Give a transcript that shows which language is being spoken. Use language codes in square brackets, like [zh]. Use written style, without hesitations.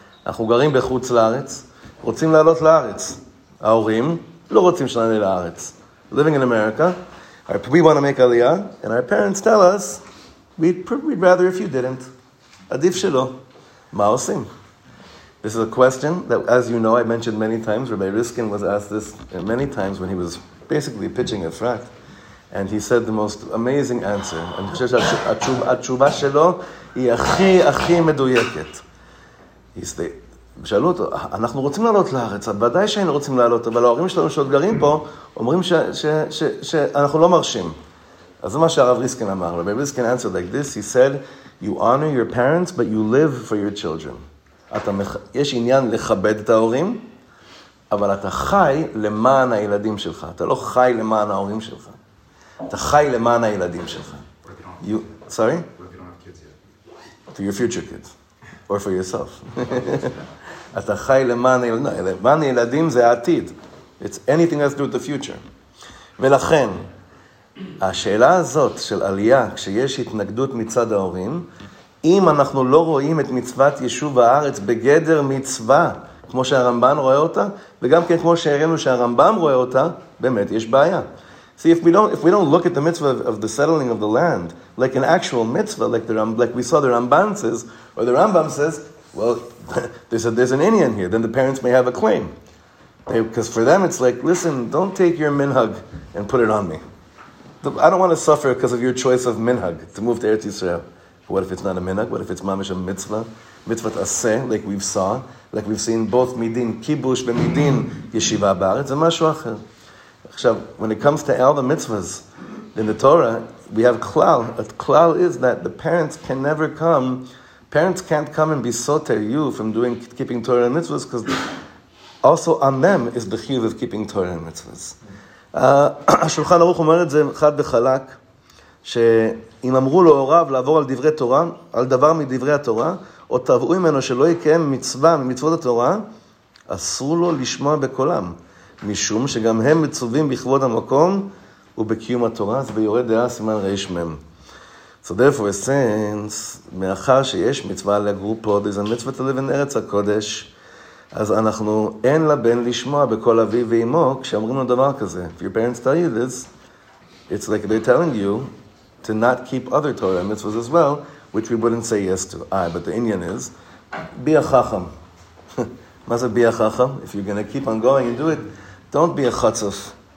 [he] אנחנו גרים בחוץ לארץ, רוצים לעלות לארץ. ההורים לא רוצים שנעלה לארץ. [en] Living in America, we want to make aliyah, and our parents tell us, we'd rather if you didn't. [he] עדיף שלא. מה עושים? [en] This is a question that, as you know, I mentioned many times. Rabbi Riskin was asked this many times when he was basically pitching a fract. And he said the most amazing answer. [he] And התשובה שלו היא הכי, הכי מדויקת. [en] He said, [he] שאלו אותו, אנחנו רוצים לעלות לארץ, ודאי שהיינו רוצים לעלות, אבל ההורים שלנו שעוד גרים פה, אומרים שאנחנו לא מרשים. אז זה מה שהרב ריסקין אמר. [en] רבי ריסקין answered like this, he said, you honor your parents, but you live for your children. [he] יש עניין לכבד את ההורים, אבל אתה חי למען הילדים שלך. אתה לא חי למען ההורים שלך. אתה חי למען הילדים שלך. [en] Sorry? For your future kids. Or for yourself. [he] אתה חי למען הילדים. למען הילדים זה העתיד. [en] It's anything else to do with the future. [he] ולכן, השאלה הזאת של עלייה, כשיש התנגדות מצד ההורים, אם אנחנו לא רואים את מצוות יישוב הארץ בגדר מצווה, כמו שהרמב"ן רואה אותה, וגם כן כמו שהראינו שהרמב"ם רואה אותה, באמת יש בעיה. [en] See, if we don't look at the mitzvah of the settling of the land like an actual mitzvah, like we saw the Ramban says, or the Rambam says, well, there's an inyan here, then the parents may have a claim. Because for them it's like, listen, don't take your minhag and put it on me. I don't want to suffer because of your choice of minhag to move to Eretz Yisrael. What if it's not a minhag? What if it's mamish a mitzvah? Mitzvah aseh, like we've seen both midin kibush and midin yeshiva ba'aretz, and mashu acher. עכשיו, when it comes to all the mitzvahs in the Torah, we have klal. A klal is that the parents can never come. Parents can't come and be soter you from doing keeping Torah and mitzvahs, because also on them is the chiyuv of keeping Torah and mitzvahs. [he] השולחן ערוך אומר את זה חד וחלק, שאם אמרו להוריו לעבור על דברי תורה, על דבר מדברי התורה, או תבעו ממנו שלא יקיים מצווה ממצוות התורה, אסרו לו לשמוע בקולם. משום שגם הם מצווים בכבוד המקום ובקיום התורה, זה ביורה דעה סימן ריש מם. [en] So therefore, since, [he] מאחר שיש מצווה לגור פה, [en] there's a mitzvah to live in [he] ארץ הקודש, אז אנחנו, אין לבן לשמוע בכל אבי ואימו, כשאמרים לו דבר כזה. [en] If your parents tell you this, it's like they're telling you to not keep other Torah mitzvahs as well, which we wouldn't say yes to. But the Indian is, be a chacham. [he] מה זה בי החכם? [en] If you're going to keep on going and do it, don't be a חצוף.